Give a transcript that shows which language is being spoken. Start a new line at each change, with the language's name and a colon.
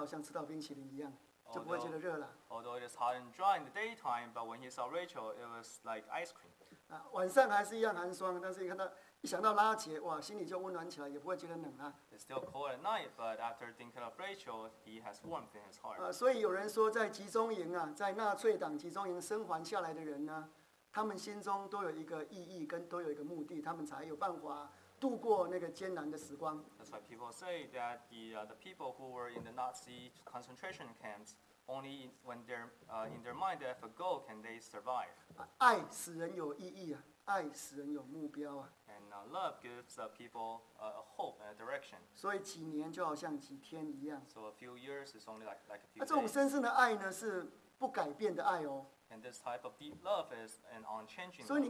Chinese: 虽然白日还是有干热，但是看到拉结就好像吃到冰淇淋一样，就不会觉得热了。Although
English: it is hot and dry in the daytime, but when he saw Rachel, it was like ice cream.
Chinese: 晚上还是一样寒霜，但是一想到拉结，哇，心里就温暖起来，也不会觉得冷了。It's
English: still cold at night, but after thinking of Rachel, he has warmth in his heart.
Chinese: 所以有人说，在集中营啊，在纳粹党集中营生还下来的人呢。他们心中都有一个意义，跟都有一个目的，他们才有办法度过那个艰难的时光。That's
English: why people say that the people who were in the Nazi concentration camps only when they're in their mind they have a goal can they survive.
Chinese: 爱使人有意义啊，爱使人有目标啊。And
English: love gives people a hope and a direction.
Chinese: 所以几年就好像几天一样。So
English: a few years is only like a few.
Chinese: 那这种深深的爱呢，是不改变的爱哦。
English: And this type of deep love is an unchanging.